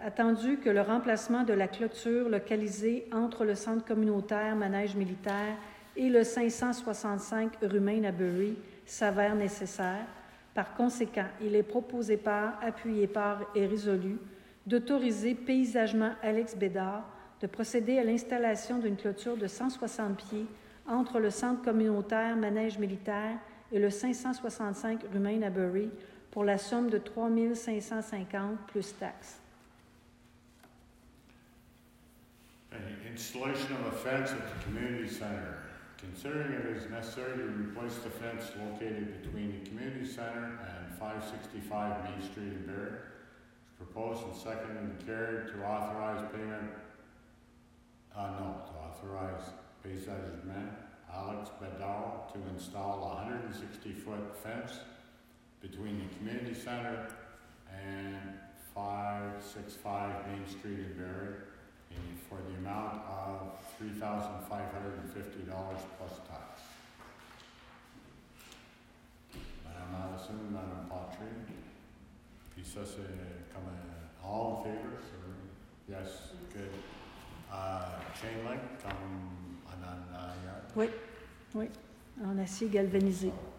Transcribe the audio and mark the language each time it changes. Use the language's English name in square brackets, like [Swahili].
[French] Attendu que le remplacement de la clôture localisée entre le centre communautaire Manège militaire et le 565 rue Main à Bury s'avère nécessaire, par conséquent, il est proposé par, appuyé par et résolu d'autoriser Paysagement Alex Bédard de procéder à l'installation d'une clôture de 160 pieds entre le centre communautaire Manège militaire et le 565 rue Main à Bury pour la somme de 3 550 plus taxes. [English] Installation of a fence at the community center. Considering it is necessary to replace the fence located between the community center and 565 Main Street in Barrie, proposed and second and carried to authorize payment. To authorize Paysagement Alex Bédard to install a 160-foot fence between the community center and 565 Main Street in Barrie for the amount of $3,550 plus tax. [French] Madame Allison, Madame Patrick, puis ça c'est comme [English] all in favor, sir? Yes, good. Chain link, [French] comme en arrière? Oui, oui, en acier galvanisé.